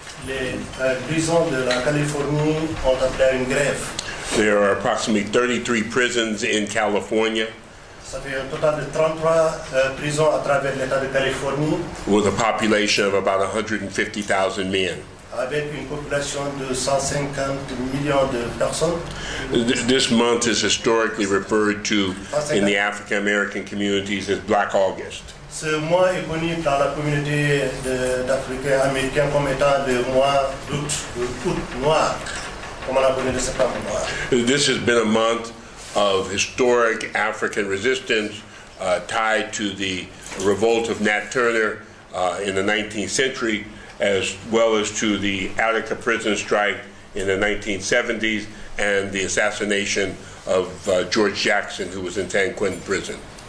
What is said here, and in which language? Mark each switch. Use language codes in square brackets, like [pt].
[en] There are approximately 33 prisons in California with a population of about 150,000 men. [fr] Avec une population de 150 millions de personnes. [en] This month is historically referred to in the African American communities as Black August. [fr] Ce mois est connu par la communauté d'Africains américains comme étant le mois d'août, d'août noir, comme on l'a connu de septembre noir. [en] This has been a month of historic African resistance tied to the revolt of Nat Turner in the 19th century, as well as to the Attica prison strike in the 1970s and the assassination of George Jackson, who was in San Quentin prison.